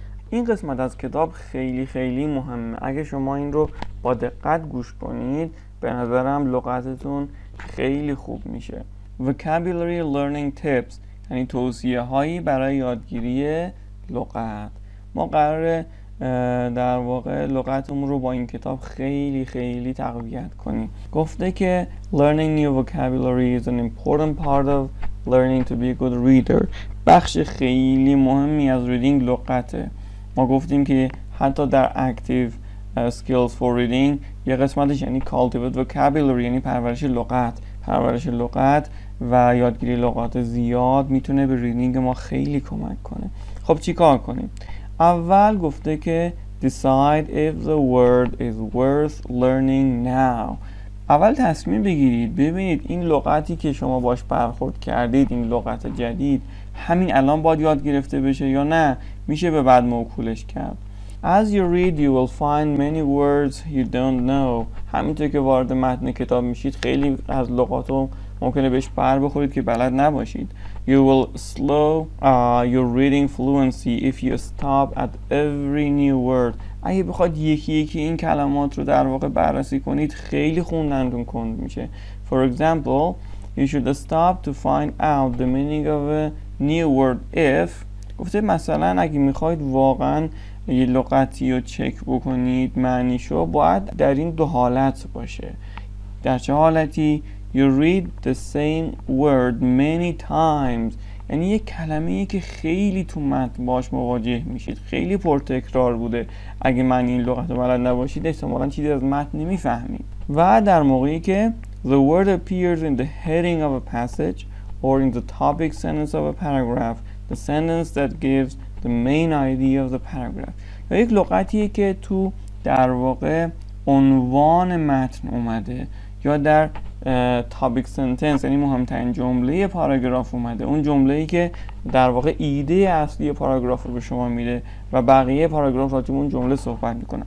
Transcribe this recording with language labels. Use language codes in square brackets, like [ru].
[fa] این قسمت از کتاب خیلی خیلی مهمه، اگه شما این رو با دقت گوش کنید به نظرم لغتتون خیلی خوب میشه. [en] Vocabulary Learning Tips [fa] یعنی توصیه هایی برای یادگیری لغت. ما قراره در واقع لغتمون رو با این کتاب خیلی خیلی تقویت کنیم. گفته که [en] Learning new vocabulary is an important part of learning to be a good reader. [fa] بخش خیلی مهمی از reading لغته. ما گفتیم که حتی در [en] active skills for reading [fa] یه قسمتش یعنی [en] cultivate vocabulary [fa] یعنی پرورش لغت. پرورش لغت و یادگیری لغات زیاد میتونه به reading ما خیلی کمک کنه. خب چی کار کنیم؟ اول گفته که [en] decide if the word is worth learning now. [fa] اول تصمیم بگیرید ببینید این لغتی که شما باش برخورد کردید، این لغت جدید همین الان باید یاد گرفته بشه یا نه میشه به بعد موکولش کرد. [en] As you read you will find many words you don't know. [fa] همینطور که وارد متن کتاب میشید خیلی از لغات رو ممکنه بهش بر بخورید که بلد نباشید. [en] You will slow your reading fluency if you stop at every new word. [fa] اگه بخواد یکی یکی این کلمات رو در واقع بررسی کنید خیلی خوندنتون کند میشه. [en] For example, you should stop to find out the meaning of a new word if. [fa] گفته مثلا اگه میخواید واقعا یه لغتی رو چک بکنید معنیشو باید در این دو حالت باشه. در چه حالتی؟ [en] You read the same word many times. [fa] یعنی یک کلمه ای که خیلی تو متن باش مواجه میشید، خیلی پرتکرار بوده. اگه معنی این لغت رو بلد نباشید احتمالاً چیزی از متن نمیفهمید. و در موقعی که [en] the word appears in the heading of a passage or in the topic sentence of a paragraph, the sentence that gives the main idea of the paragraph. [fa] یا یک لغتیه که تو در واقع عنوان متن اومده یا در topic sentence یعنی مهمترین جمله پاراگراف اومده، اون جمله ای که در واقع ایده اصلی پاراگراف رو به شما میده و بقیه پاراگراف را توی اون جمله صحبت میکنه.